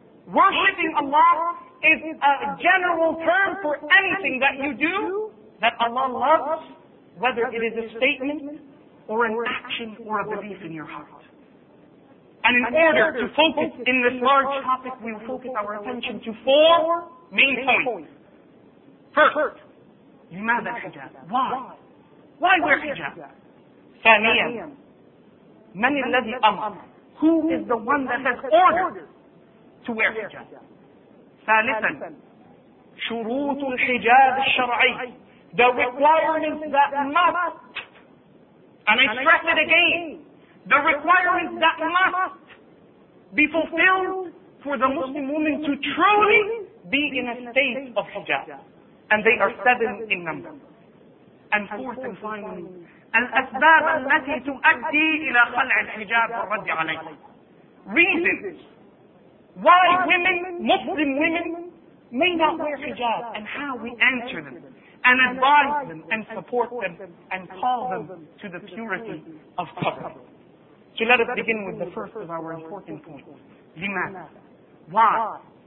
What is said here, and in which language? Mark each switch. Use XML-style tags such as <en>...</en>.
<en>Worshipping Allah is a general term for anything that you do that Allah loves, whether it is a statement or an action or a belief in your heart. And in order to focus in this large topic, we will focus our attention to four main points. First,</en> <ar>لماذا الحجاب?</ar> <en>Why? Why wear hijab?</en> <ar>ثانيا, من الذي أمر?</ar> <en>Who is the one that has ordered to wear hijab?</en> <ar>ثالثا, شروط الحجاب الشرعي,</ar> <en>the requirements that must, and I stress it again, the requirements that must be fulfilled for the Muslim woman to truly be in a state of hijab. And they are seven in number. And fourth and finally,</en> <ar>الأسباب التي تؤدي إلى خلع الحجاب والرد عليه.</ar> <en>Reasons why women, Muslim women, may not wear hijab and how we answer them and advise them and support them and call them to the purity of cover. So let us begin with the first of our important points. لماذا? Why?</en>